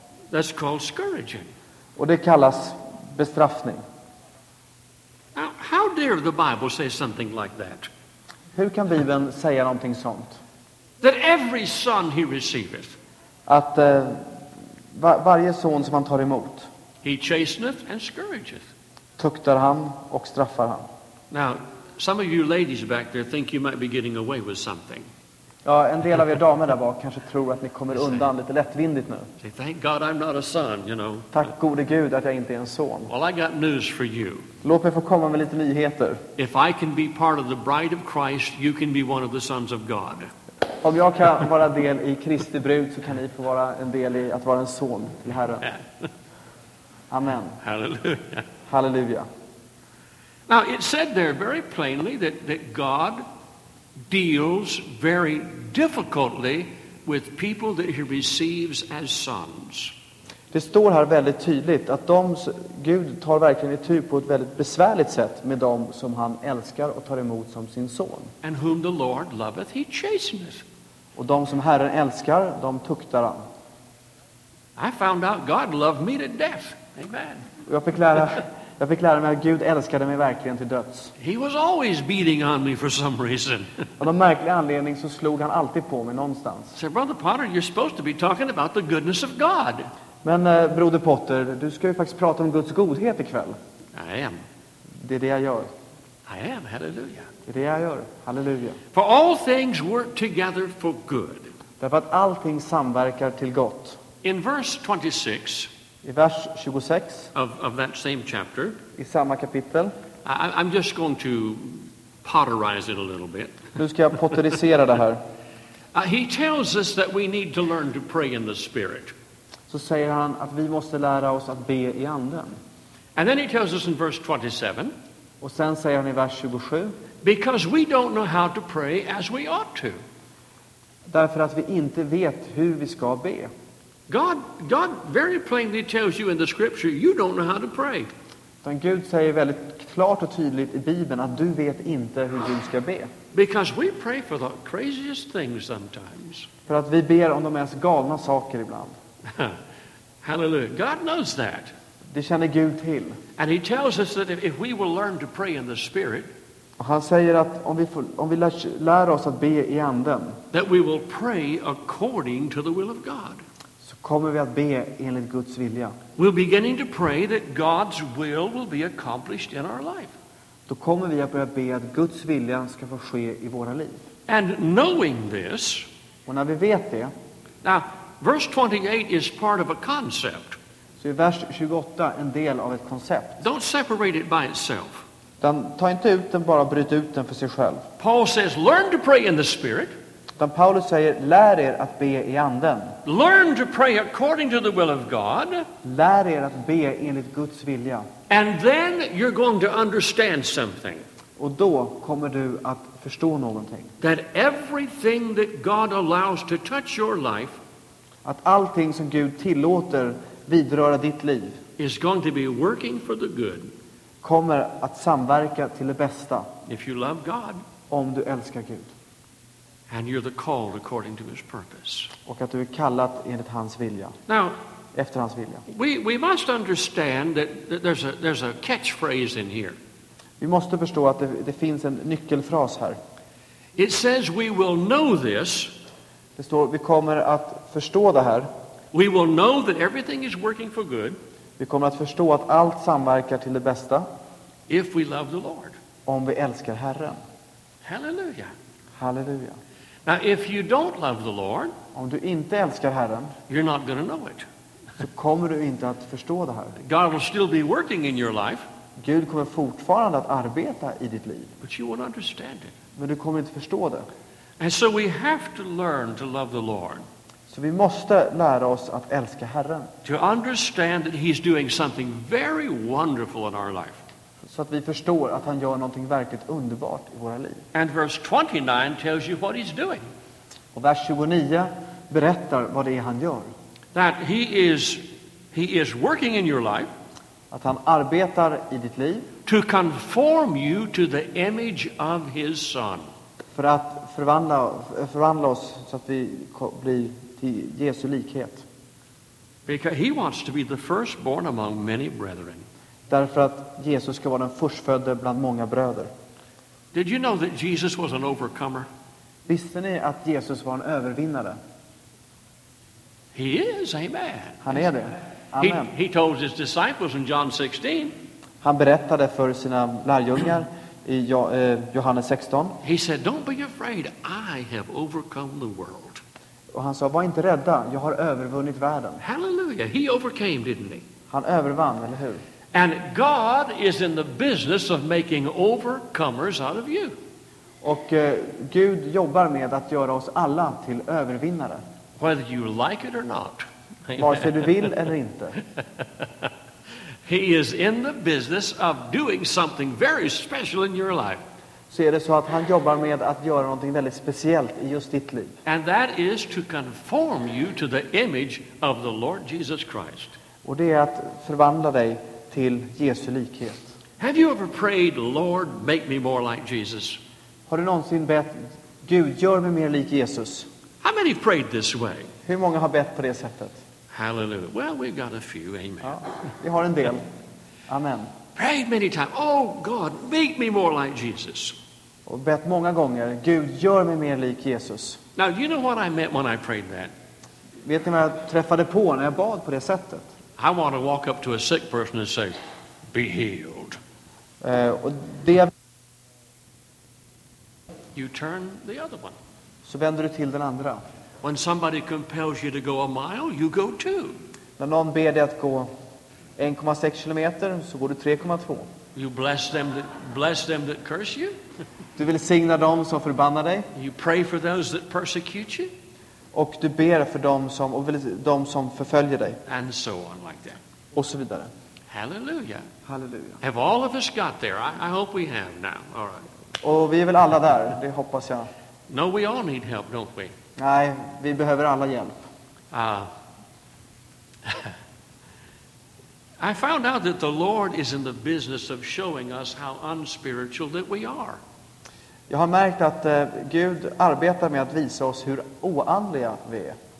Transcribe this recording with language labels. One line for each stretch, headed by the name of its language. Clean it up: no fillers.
English: That's called scourging.
Swedish: Och det kallas bestraffning.
English: Now, how dare the Bible say something like that?
Swedish: Hur kan Bibeln säga någonting sånt?
English: That every son he receiveth.
Swedish: Att varje son som han tar emot.
English: He chasteneth and scourgeth.
Swedish: Tuktar han och straffar han.
English: Now, some of you ladies back there think you might be getting away with something.
Swedish: Ja, en del av er damer där bak kanske tror att ni kommer undan lite lättvindigt nu.
English: Say, thank God I'm not a son, you know.
Swedish: Tack gode Gud att jag inte är en son.
English: Well, I got news for you.
Swedish: Låt mig få komma med lite nyheter.
English: If I can be part of the bride of Christ, you can be one of the sons of God.
Swedish: Om jag kan vara del i Kristi brud så kan ni få vara en del i att vara en son till Herren. Amen. Halleluja. Halleluja.
English: Now it said there very plainly that God deals very difficultly with people that he receives as sons.
Swedish: Det står här väldigt tydligt att Gud tar verkligen itu på ett väldigt besvärligt sätt med dem som han älskar och tar emot som sin son.
English: And whom the Lord loveth, he chasteneth.
Swedish: Och de som Herren älskar, de tuktar han.
English: I found out God loved me to death. Amen.
Swedish: Jag fick lära mig att Gud älskade mig verkligen till döds.
English: He was always beating on me for some reason.
Swedish: Av någon märklig anledning så slog han alltid på mig någonstans.
English: So Brother Potter, you're supposed to be talking about the goodness of God.
Swedish: Men broder Potter, du ska ju faktiskt prata om Guds godhet ikväll.
English: I am.
Swedish: Det är det jag gör.
English: I am, hallelujah.
Swedish: Det är det jag gör, hallelujah.
English: For all things work together for good.
Swedish: Därför att allting samverkar till gott.
English: In verse 26.
Swedish: I vers 26.
English: Of that same chapter.
Swedish: I samma kapitel.
English: I'm just going to potterize it a little bit.
Swedish: Nu ska jag potterisera det här.
English: He tells us that we need to learn to pray in the spirit.
Swedish: Så säger han att vi måste lära oss att be i anden.
English: And then he tells us in verse 27.
Swedish: Och sen säger han i vers 27.
English: Because we don't know how to pray as we ought to.
Swedish: Därför att vi inte vet hur vi ska be.
English: God very plainly tells you in the scripture you don't know how to pray.
Swedish: Men Gud säger väldigt klart och tydligt i Bibeln att du vet inte hur du ska be.
English: Because we pray for the craziest things sometimes.
Swedish: För att vi ber om de mest galna saker ibland.
English: Hallelujah. God knows that.
Swedish: Det känner Gud till.
English: And he tells us that if we will learn to pray in the spirit.
Swedish: Och han säger att om vi lär oss att be i anden.
English: That we will pray according to the will of God.
Swedish: Så kommer vi att be enligt Guds vilja.
English: We're beginning to pray that God's will be accomplished in our life.
Swedish: Då kommer vi att börja be att Guds vilja ska få ske i våra liv.
English: And knowing this.
Swedish: Och när vi vet det.
English: Now, verse 28 is part of a concept.
Swedish: Så i vers 28 en del av ett koncept.
English: Don't separate it by itself.
Swedish: Den tar inte ut den, bara bryt ut den för sig själv.
English: Paul says, learn to pray in the spirit.
Swedish: Den Paulus säger, lär er att be i anden.
English: Learn to pray according to the will of God.
Swedish: Lär er att be enligt Guds vilja.
English: And then you're going to understand something.
Swedish: Och då kommer du att förstå någonting.
English: That everything that God allows to touch your life.
Swedish: Att allting som Gud tillåter vidröra ditt liv
English: is going to be working for the good.
Swedish: Kommer att samverka till det bästa.
English: If you love God,
Swedish: om du älskar Gud.
English: And you're the called according to his purpose.
Swedish: Och att du är kallad enligt hans vilja.
English: Now,
Swedish: efter hans vilja.
English: We must understand that there's a catchphrase in here.
Swedish: Vi måste förstå att det finns en nyckelfras här.
English: It says we will know this.
Swedish: Det står vi kommer att förstå det här.
English: We will know that everything is working for good.
Swedish: Vi kommer att förstå att allt samverkar till det bästa.
English: If we love the Lord.
Swedish: Om vi älskar Herren. Halleluja. Halleluja.
English: Now if you don't love the Lord,
Swedish: om du inte älskar Herren,
English: you're not going to know it.
Swedish: Så kommer du inte att förstå det här.
English: God will still be working in your life.
Swedish: Gud kommer fortfarande att arbeta i ditt liv.
English: But you won't understand it.
Swedish: Men du kommer inte förstå det.
English: And so we have to learn to love the Lord.
Swedish: Så vi måste lära oss att älska Herren.
English: To understand that he's doing something very wonderful in our life.
Swedish: Så att vi förstår att han gör någonting verkligt underbart i våra liv.
English: And verse 29 tells you what he's doing.
Swedish: Och vers 29 berättar vad det är han gör.
English: That he is working in your life.
Swedish: Att han arbetar i ditt liv.
English: To conform you to the image of his son.
Swedish: För att förvandla oss så att vi blir till Jesu likhet.
English: Because he wants to be the firstborn among many brethren.
Swedish: Därför att Jesus ska vara den förstfödde bland många bröder.
English: Did you know that Jesus was an overcomer?
Swedish: Visste ni att Jesus var en övervinnare?
English: He is, amen.
Swedish: Han är det. Amen.
English: He told his disciples in John 16.
Swedish: Han berättade för sina lärjungar i Johannes 16.
English: He said, "Don't be afraid. I have overcome the world."
Swedish: Och han sa, "Var inte rädda. Jag har övervunnit världen."
English: Hallelujah. He overcame, didn't he?
Swedish: Han övervann, eller hur?
English: And God is in the business of making overcomers out of you.
Swedish: Och Gud jobbar med att göra oss alla till övervinnare.
English: Whether you like it or not.
Swedish: Vare sig du vill eller inte.
English: He is in the business of doing something very special in your life.
Swedish: Så är det så att han jobbar med att göra någonting väldigt speciellt i just ditt liv.
English: And that is to conform you to the image of the Lord Jesus Christ.
Swedish: Och det är att förvandla dig till Jesu likhet.
English: Have you ever prayed, Lord, make me more like Jesus?
Swedish: Har du någonsin bett, Gud, gör mig mer lik Jesus?
English: How many prayed this way?
Swedish: Hur många har bett på det sättet?
English: Hallelujah. Well, we've got a few. Amen.
Swedish: Ja, vi har en del. Amen.
English: Prayed many times. Oh God, make me more like Jesus.
Swedish: Och bett många gånger, Gud, gör mig mer lik Jesus.
English: Now, you know what I meant when I prayed that?
Swedish: Vet ni vad jag träffade på när jag bad på det sättet?
English: I want to walk up to a sick person and say, be healed. You turn the other one.
Swedish: Så vänder du till den andra.
English: When somebody compels you to go a mile, you go two.
Swedish: När någon ber dig att gå 1,6 kilometer så går du 3,2.
English: You bless them that curse you.
Swedish: Du vill signa dem som förbannar dig.
English: You pray for those that persecute you.
Swedish: Och du ber för dem som förföljer dig.
English: And so on like that.
Swedish: Och så vidare. Hallelujah. Hallelujah.
English: Have all of us got there? I hope we have now. All right.
Swedish: Och vi är väl alla där, det hoppas jag.
English: No, we all need help, don't we?
Swedish: Nej, vi behöver alla hjälp.
English: I found out that the Lord is in the business of showing us how unspiritual that we are.
Swedish: Jag har märkt att Gud arbetar med att visa oss hur oandliga vi är.